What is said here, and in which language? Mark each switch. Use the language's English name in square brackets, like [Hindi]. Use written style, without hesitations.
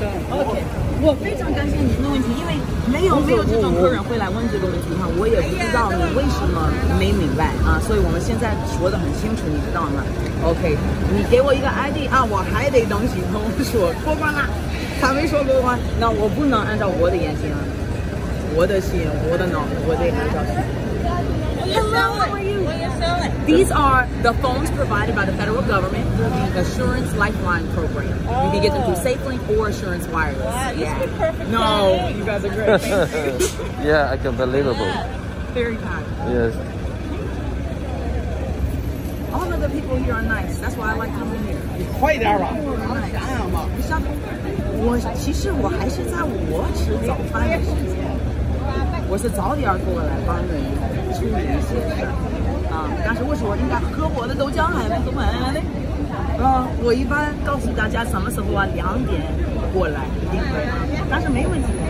[Chinese] OK， 我非常感谢您的问题，因为没有这种客人会来问这个问题哈，我也不知道你为什么没明白啊，所以我们现在说得很清楚，你知道吗 ？OK， 你给我一个 ID 啊，我还得等系统说过关了，他没说过关，那我不能按照我的言行，我的心，我的脑，我得按照。 [English] These are the phones provided by the federal government through the Assurance Lifeline program. You can get them through SafeLink or Assurance Wireless. Wow, yeah. No, you guys are great. Yeah, I can believe it. Very kind. Yes. All of the people here are nice. That's why I like coming here. [Chinese] 你快点吧！你上班？我还是在我吃早饭的时间，我是早点过来帮你处理一些事。但是我说应该喝我的豆浆还能怎么嘞？我一般告诉大家什么时候啊，2点过来一定可以，但是没问题。